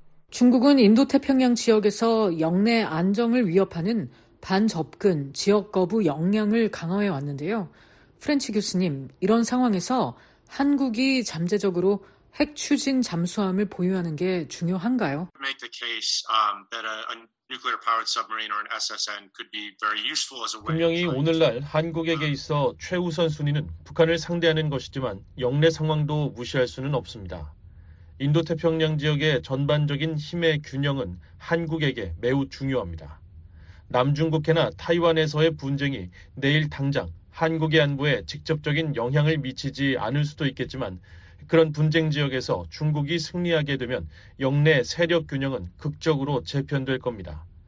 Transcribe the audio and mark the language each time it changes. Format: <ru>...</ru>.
<ko>중국은 인도태평양 지역에서 영내 안정을 위협하는 반접근, 지역거부 역량을 강화해 왔는데요. 프렌치 교수님, 이런 상황에서 한국이 잠재적으로 핵 추진 잠수함을 보유하는 게 중요한가요?</ko> <en>Make the case that a nuclear powered submarine or an SSN could be very useful as a way.</en> <ko>분명히 오늘날 한국에게 있어 최우선 순위는 북한을 상대하는 것이지만 영내 상황도 무시할 수는 없습니다. 인도태평양 지역의 전반적인 힘의 균형은 한국에게 매우 중요합니다. 남중국해나 타이완에서의 분쟁이 내일 당장 한국의 안보에 직접적인 영향을 미치지 않을 수도 있겠지만 그런 분쟁 지역에서 중국이 승리하게 되면 영내 세력 균형은 극적으로 재편될 겁니다.</ko>